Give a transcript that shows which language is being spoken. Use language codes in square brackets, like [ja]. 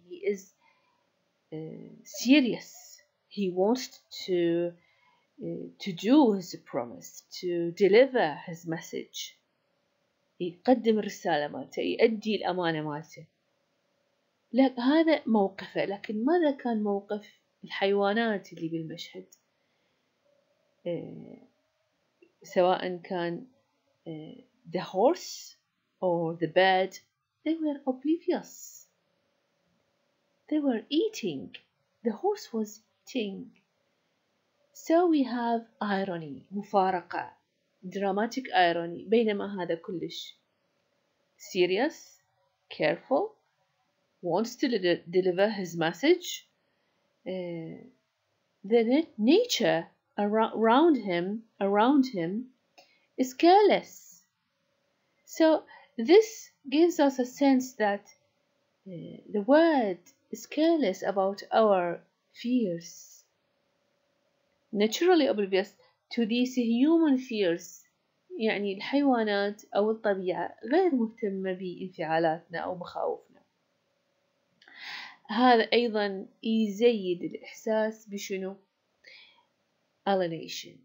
[en] He is serious. He wants to do his promise, to deliver his message. [ar] يقدم الرسالة مالته، يؤدي الأمانة مالته. لكن هذا موقفه، لكن ماذا كان موقف الحيوانات اللي بالمشهد؟ سواء كان [en] the horse or the bird, they were oblivious. They were eating. The horse was eating. So we have irony, مفارقة, dramatic irony, [ar] بينما هذا كلش [en] serious, careful, wants to deliver his message. The nature around him is careless. So this gives us a sense that the world is careless about our fears. Naturally oblivious to these human fears. [ar] يعني الحيوانات أو الطبيعة غير مهتمة بانفعالاتنا أو مخاوفنا. هذا أيضا يزيد الإحساس بشنو؟ Alienation.